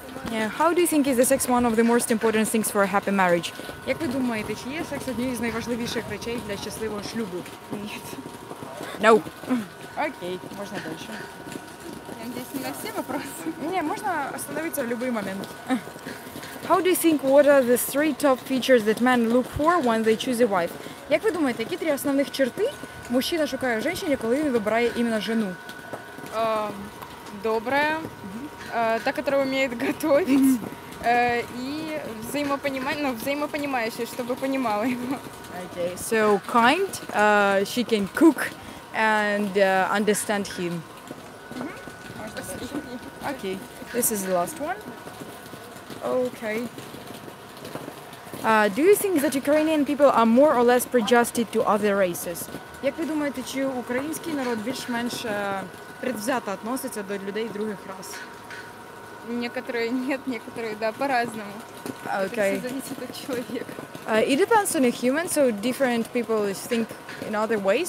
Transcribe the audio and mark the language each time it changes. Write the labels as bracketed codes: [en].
[en] Yeah. How do you think is the sex one of the most important things for a happy marriage? [uk] Як ви думаєте, чи є секс однією з найважливіших речей для щасливого шлюбу? [ru] Нет. [en] No. [uk] Окей, можна дальше. Я надіюсь, не на всі вопроси. Ні, можна остановитися в будь-який момент. [en] How do you think what are the three top features that men look for when they choose a wife? [uk] Як ви думаєте, які три основних черти мужчина шукає в жінці, коли він вибирає іменно жену? Добре. Та, яка вміє готувати. І взаємопонімаюча, щоб понімали його. [en] Okay. So kind, she can cook and understand him. Mm-hmm. Okay. This is the last one. Okay. Do you think that Ukrainian people are more or less prejudiced to other races? [uk] Як ви думаєте, чи український народ більш-менш предвзято відноситься до людей інших рас? [ru] Некоторые нет, некоторые да, по-разному. [en] Okay. [ru] Это зависит от человека. [en] It depends on a human, so different people think in other ways.